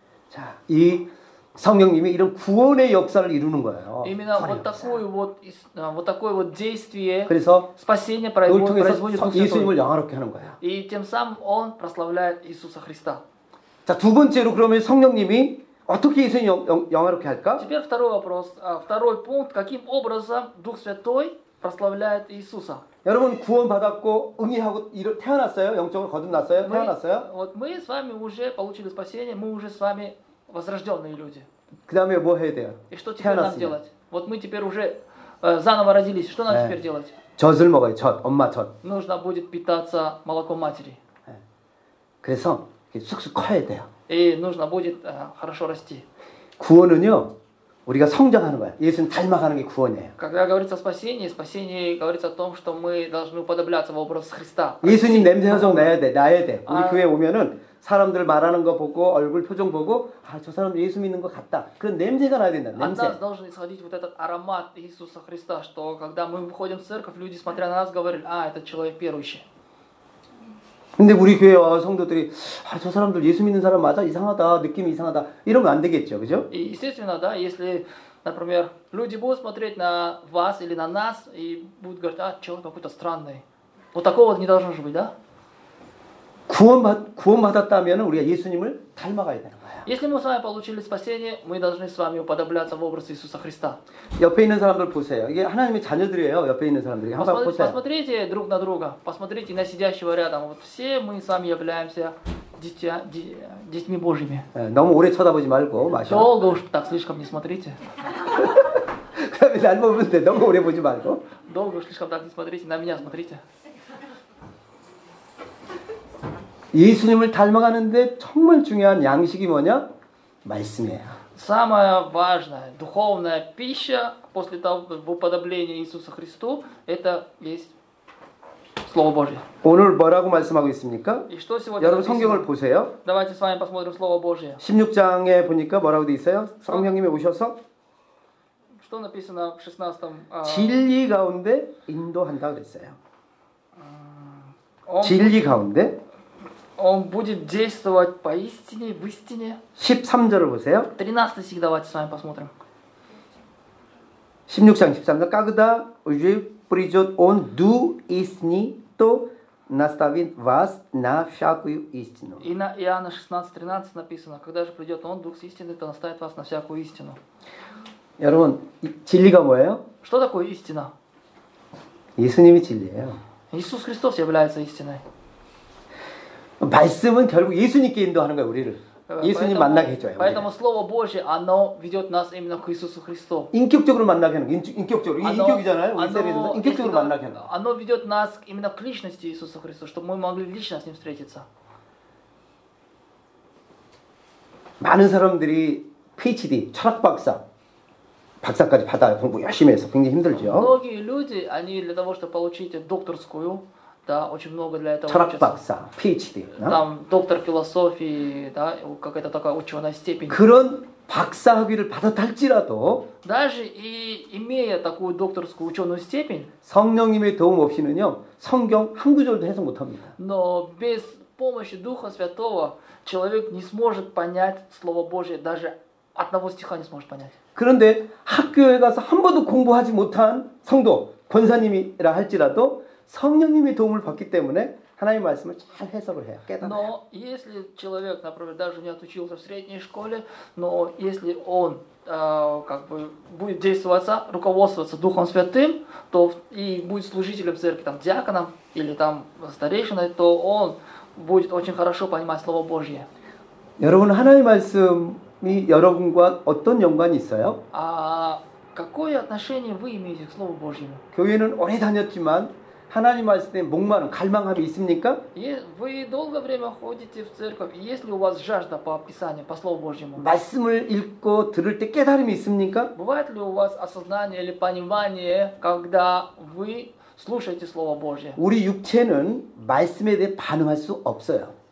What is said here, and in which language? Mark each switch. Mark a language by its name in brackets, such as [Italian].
[Korean] 자, 이 성령님이 이런 구원의 역사를 이루는 거예요. [Russian] Именно вот такое вот вот такое вот действие. [Korean] 그래서 [Russian] спасение производит [Korean] 예수님을 영화롭게 하는 거예요. [Russian] И тем самым он прославляет Иисуса Христа. [Korean] 자, 두 번째로 그러면 성령님이 어떻게 예수님 영화롭게 할까? [Russian] Теперь второй вопрос, второй пункт, каким образом Дух Святой прославляет Иисуса? [Korean] 여러분 구원 받았고 응이하고 태어났어요? 영적으로 거듭났어요? 태어났어요? [Russian] Вот мы с вами уже получили спасение, мы уже с вами возрождённые люди. [Korean] 그다음에 뭐 해야 돼요? [Russian] И что теперь нам делать? Вот мы теперь уже заново родились. Что нам теперь делать? [Korean] 젖을 먹어요. 젖. 엄마 젖. [Russian] Нужно будет питаться молоком матери. [Korean] 그래서 쑥쑥 커야 돼요. [Russian] И нужно будет хорошо расти. [Korean] 구원은요, 우리가 성장하는 거야. 예수님 닮아가는 게 구원이에요. [Russian] Когда говорится о спасении, спасение говорится о том, что мы должны уподобляться в образ Христа. [Korean] 예수님 냄새 계속 나야 돼, 나야 돼. 우리 교회 오면은 사람들 말하는 거 보고 얼굴 표정 보고 아, 저 사람 예수 믿는 것 같다. 그런 냄새가 나야 된다. 냄새. [Russian] От нас должен исходить вот этот аромат Иисуса Христа, что когда мы выходим в церковь, люди смотря на нас говорили, а этот человек верующий. [Korean] 근데 우리 교회 와 성도들이 아, 저 사람들 예수 믿는 사람 맞아? 이상하다. 느낌이 이상하다. 이러면 안 되겠죠. 그죠? [Russian] И естественно, да, если, например, люди будут смотреть на вас или на нас и будут говорить: "А, человек какой-то странный." Вот такого не должно же быть, да? [Korean] 구원받았다면 우리가 예수님을 닮아가야 되는 거야. [Russian] Если мы с вами получили спасение, мы должны с вами уподобляться в образ Иисуса Христа. [Korean] 옆에 있는 사람들 보세요. 이게 하나님의 자녀들이에요. 옆에 있는 사람들이 한번 보세요. [Russian] Посмотрите друг на друга. Посмотрите на сидящего рядом. Вот все мы с вами являемся детьми Божьими. [Korean] 너무 오래 쳐다보지 말고 마셔. [Russian] Долго уж так слишком не смотрите. [Korean] 그럼 날 보면 돼. 너무 오래 보지 말고. [Russian] Долго уж слишком так не смотрите. На меня смотрите. [Korean] 예수님을 닮아가는데 정말 중요한 양식이 뭐냐? 말씀이에요. [Russian] Самая важная духовная пища после того, в уподоблении Иисуса Христу, это есть Слово Божье. [Korean] 오늘 뭐라고 말씀하고 있습니까? [Russian] И что сегодня? [Korean] 여러분 성경을 보세요. [Russian] Давайте с вами посмотрим Слово Божье. [Korean] 16장에 보니까 뭐라고 돼 있어요? 성령님이 오셔서 [Russian] Что написано в 16-м? [Korean] 진리 가운데 인도한다 그랬어요. 진리 가운데 [Russian] Он будет действовать поистине, в истине. [Korean] 13절을 보세요. [Russian] 13 стих давайте с вами посмотрим. [Korean] 16장 13절. [Russian] Когда уже придет он, ду истини, то наставит вас на всякую истину. И на Иоанна 16:13 написано, когда же придет он, дух истины, то наставит вас на всякую истину. [Korean] 여러분, 진리가 뭐예요? [Russian] Что такое истина? [Korean] 예수님이 진리예요. [Russian] Иисус Христос является истиной. [Korean] 말씀은 결국 예수님께 인도하는 거예요, 우리를. 예수님 만나게 해 줘요. [Russian] Поэтому слово Божье, оно ведёт нас именно к Иисусу Христу. [Korean] 인격적으로 만나게 하는 거예요. 인격적으로. 이게 인격이잖아요. 인격적으로 인격적으로 만나게 하는 거예요. [Russian] Оно ведёт нас именно к личности Иисуса Христа, чтобы мы могли лично с ним встретиться. [Korean] 많은 사람들이 PhD, 철학 박사 박사까지 받아 공부 열심히 해서 굉장히 힘들죠. [Russian] Многие люди, они для того, чтобы получить докторскую Да, очень много для этого. [Korean] 철학 박사, PhD. [Russian] Да? Там доктор философии, да, какая-то такая ученая степень. [Korean] 그런 박사 학위를 받았다 할지라도. [Russian] Даже и имея такую докторскую ученую степень. [Korean] 성령님의 도움 없이는요, 성경 한 구절도 해석 못합니다. [Russian] Но без помощи Духа Святого человек не сможет понять Слово Божие, даже одного стиха не сможет понять. [Korean] 그런데 학교에 가서 한 번도 공부하지 못한 성도, 권사님이라 할지라도. 성령님의 도움을 받기 때문에 하나님의 말씀을 잘 해석을 해요. 깨닫아요. [Russian] Но если человек, например, даже не отучился в средней школе, но если он как бы будет действоваться, руководствоваться Духом Святым, то и будет служителем церкви, там диаконом или там старейшиной, то он будет очень хорошо понимать слово Божье. [Korean] 여러분, 하나님의 말씀이 여러분과 어떤 연관이 있어요? [Russian] А какое отношение вы имеете к слову Божьему? [Korean] 교회는 오래 다녔지만 하나님 말씀에 목마름, 갈망함이 있습니까? [Russian] 예, вы долгое время ходите в церковь. Есть ли у вас жажда по Писанию, по Слову Божьему? [Korean] 말씀을 읽고 들을 때 깨달음이 있습니까? [Russian] Бывает ли у вас осознание или понимание, когда вы слушаете Слово Божье? [Korean] 우리 육체는 말씀에 대해 반응할 수 없어요.